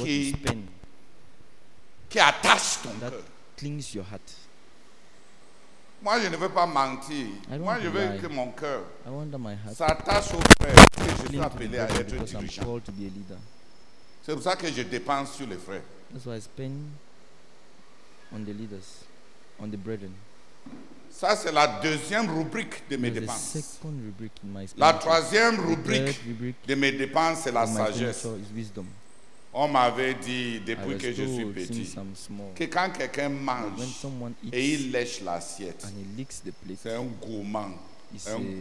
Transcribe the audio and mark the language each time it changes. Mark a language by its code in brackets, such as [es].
[fr] qui gagne, qui attache ton cœur. Moi, je ne veux pas mentir. Moi, je veux que mon cœur s'attache au frère que je suis appelé à être dirigeant. C'est pour ça que je dépense sur les frères. [en] That's why I spend on the leaders, on the brethren. [fr] Ça, c'est la deuxième rubrique de mes dépenses. La troisième rubrique de mes dépenses, c'est la sagesse. On m'avait dit, depuis que je suis petit, que quand quelqu'un mange et il lèche l'assiette, c'est un gourmand, un